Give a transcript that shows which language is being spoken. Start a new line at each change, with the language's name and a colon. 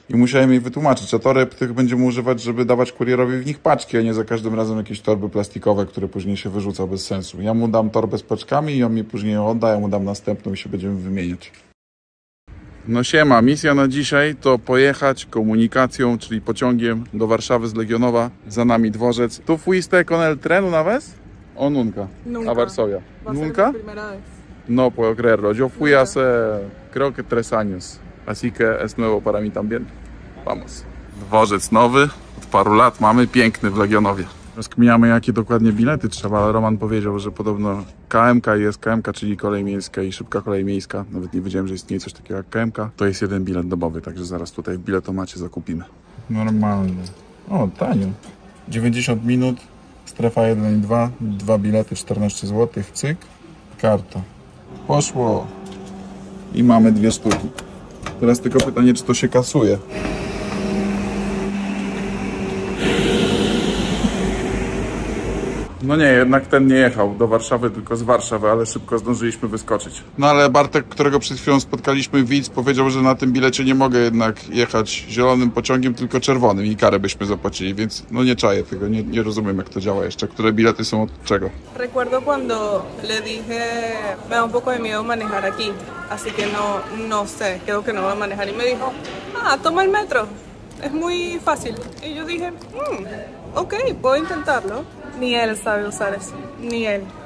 Polish: I musiałem jej wytłumaczyć, a toreb tych będziemy używać, żeby dawać kurierowi w nich paczki, a nie za każdym razem jakieś torby plastikowe, które później się wyrzuca bez sensu. Ja mu dam torbę z paczkami i on mi później ją odda, ja mu dam następną i się będziemy wymieniać. No siema, misja na dzisiaj to pojechać komunikacją, czyli pociągiem do Warszawy z Legionowa. Za nami dworzec.
Spanish: Tu fuiste con el tren una vez? O nunca. Nunca. A Varsovia. Nunca? No puedo creerlo. Yo fui hace creo que 3 años. Así que es nuevo para mí también. Vamos.
Polish: Dworzec nowy. Od paru lat mamy piękny w Legionowie. Rozkminiamy, jakie dokładnie bilety trzeba, ale Roman powiedział, że podobno KMK jest KMK, czyli kolej miejska i szybka kolej miejska. Nawet nie wiedziałem, że istnieje coś takiego jak KMK. To jest jeden bilet dobowy, także zaraz tutaj w biletomacie zakupimy. Normalnie. O, tanio. 90 minut, strefa 1 i 2, dwa bilety, 14 zł, cyk, karta. Poszło. I mamy 2 sztuki. Teraz tylko pytanie, czy to się kasuje. No nie, jednak ten nie jechał do Warszawy, tylko z Warszawy, ale szybko zdążyliśmy wyskoczyć. No ale Bartek, którego przed chwilą spotkaliśmy, widz, powiedział, że na tym bilecie nie mogę jednak jechać zielonym pociągiem, tylko czerwonym i karę byśmy zapłacili, więc no nie czaję tego, nie rozumiem, jak to działa jeszcze, które bilety są od czego.
Spanish: Recuerdo cuando le dije, me da un poco de miedo manejar aquí, así que no sé, creo que no voy a manejar. Y me dijo, toma el metro, es muy fácil. Y yo dije, ok, puedo intentarlo. Ni él sabe usar eso, ni él.